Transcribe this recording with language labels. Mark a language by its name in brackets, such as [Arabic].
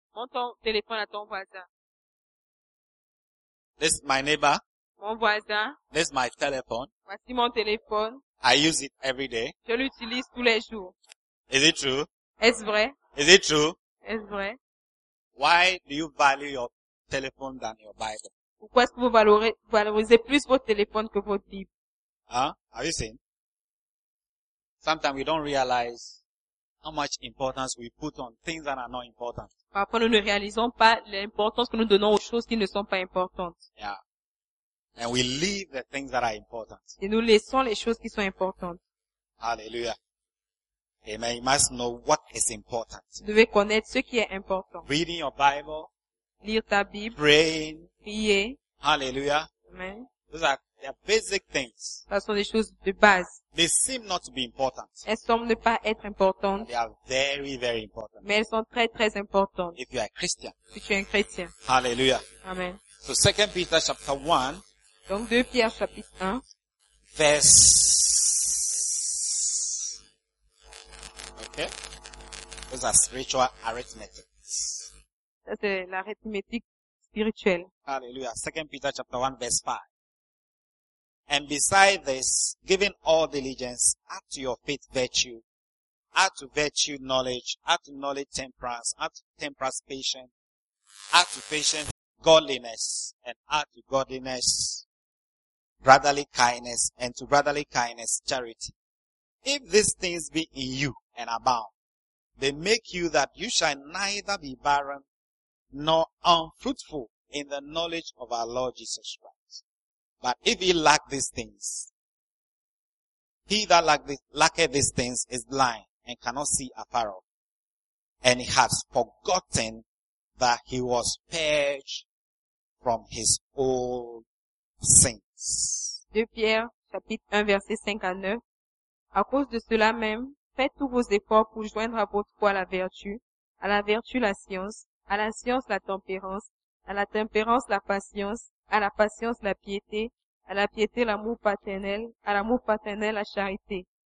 [French] Montre ton téléphone à ton voisin. [English] This is my neighbor. [French] Mon voisin. [English] This is my telephone. [French] Voici mon téléphone. [English] I use it every day. [French] Je l'utilise tous les jours. [English] Is it true? [French] Est-ce vrai? [English] Is it true? [French] Est-ce vrai? [English] Why do you value your telephone than your Bible? [French] Pourquoi est-ce que vous valorisez plus votre téléphone que votre Bible? [English] Are you seeing? Sometimes we don't realize how much importance we put on things that are not important. [French] Parfois nous ne réalisons pas l'importance que nous donnons aux choses qui ne sont pas importantes. [English] Yeah. And we leave the things that are important. [French] Et nous laissons les choses qui sont importantes. [English] Hallelujah. Amen. You must know what is important. [French] Vous devez connaître ce qui est important. [English] Reading your Bible. [French] Lire ta Bible. [English] Praying. [French] Prier. [English] Hallelujah. Amen. They are basic things. [French] Ce sont des choses de base. [English] They seem not to be important. [French] Elles semblent ne pas être importantes. [English] They are very, very important. [French] Mais elles sont très, très importantes. [English] If you are a Christian. [French] Si tu es un chrétien. [English] Hallelujah. Amen. So 2 Peter chapter 1. [French] Donc, 2 Pierre, chapitre 1. [English] Verse. Okay. Those are spiritual arithmetic. [French] Ça, c'est l'arithmétique spirituelle. spirituel. [English] Hallelujah. 2 Peter chapter 1 verse 5. And beside this, giving all diligence, add to your faith virtue, add to virtue knowledge, add to knowledge temperance, add to temperance patience, add to patience godliness, and add to godliness brotherly kindness, and to brotherly kindness charity. If these things be in you and abound, they make you that you shall neither be barren nor unfruitful in the knowledge of our Lord Jesus Christ. But if he lack these things, he that lacketh these things is blind and cannot see afar off, and he has forgotten that he was purged from his old sins. [French] 2 Pierre, chapitre 1, verset 5 à 9. À cause de cela même, faites tous vos efforts pour joindre à votre foi à la vertu la science à la tempérance la patience, à la patience, la piété, à l'amour paternel, la charité.